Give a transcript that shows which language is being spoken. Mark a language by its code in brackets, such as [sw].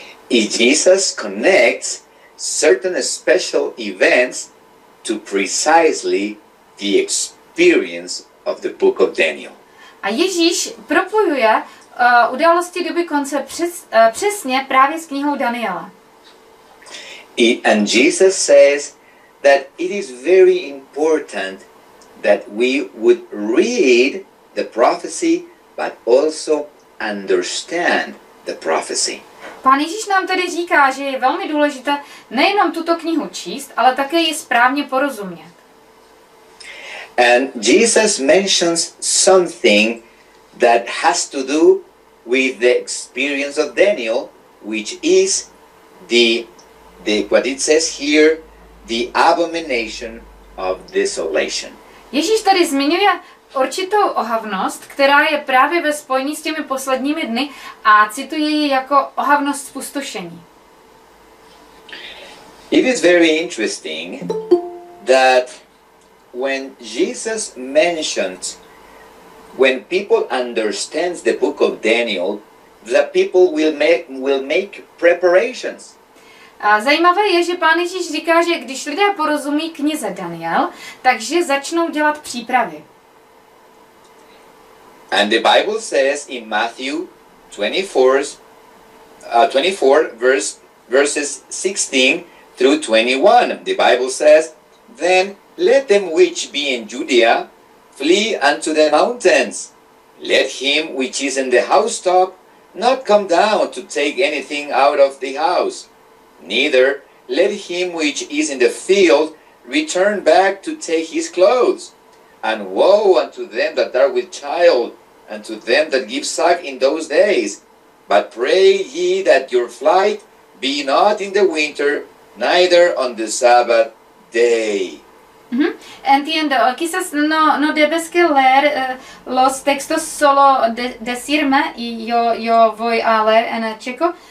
[en] Jesus connects certain special events to precisely the experience of the book of Daniel. [cs] A Ježíš propojuje události doby konce přesně právě s knihou Daniela. [en] And Jesus says that it is very important that we would read the prophecy, but also understand the prophecy. [cs] Pán Ježíš nám tedy říká, že je velmi důležité nejenom tuto knihu číst, ale také ji správně porozumět. [en] And Jesus mentions something that has to do with the experience of Daniel, which is the what it says here, the abomination of desolation. [cs] Ježíš tady zmiňuje určitou ohavnost, která je právě ve spojení s těmi posledními dny, a cituje ji jako ohavnost zpustošení. [en] It is very interesting that when Jesus mentions, when people understand the book of Daniel, the people will make preparations. [cs] A zajímavé je, že Pán Ježíš říká, že když lidé porozumí knize Daniel, takže začnou dělat přípravy. [en] And the Bible says in Matthew 24 verses 16 through 21, the Bible says, "Then let them which be in Judea flee unto the mountains. Let him which is in the housetop not come down to take anything out of the house. Neither let him which is in the field return back to take his clothes. And woe unto them that are with child, and to them that give suck in those days. But pray ye that your flight be not in the winter, neither on the Sabbath day." [es] Entiendo. Quizás no debes que leer los textos solo decirme, y yo voy a leer en checo.